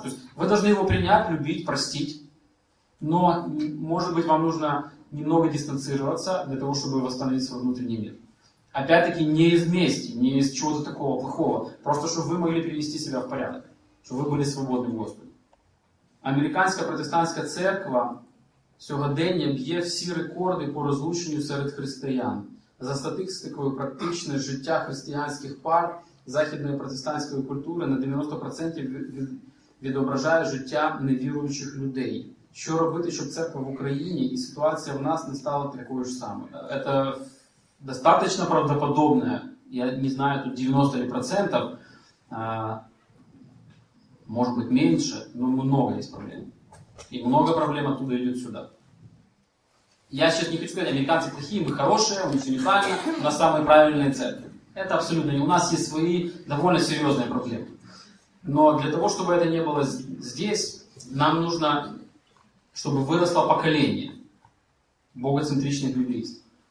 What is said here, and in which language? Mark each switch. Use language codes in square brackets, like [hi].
[ru] То есть вы должны его принять, любить, простить. Но, может быть, вам нужно немного дистанцироваться для того, чтобы восстановить свой внутренний мир. Опять-таки, не из мести, не из чего-то такого плохого. Просто, чтобы вы могли привести себя в порядок. Чтобы вы были свободны в Господе. [uk] Американская протестантская церковь сьогодення б'є всі рекорди по розлученню серед християн. За статистикою, практичне життя християнських пар західної протестантської культури на 90% відображає життя невіруючих людей. Що робити, щоб церква в Україні і ситуація в нас не стала такою ж самою? Це достатньо правдоподобне, я не знаю, тут 90%, може бути менше, але багато є проблем. І багато проблем оттуда йдуть сюди. [ru] Я сейчас не хочу сказать, американцы плохие, мы хорошие, мы все неправильно, у нас самые правильные церкви. Это абсолютно не. У нас есть свои довольно серьезные проблемы. Но для того, чтобы это не было здесь, нам нужно, чтобы выросло поколение богоцентричных библейцев.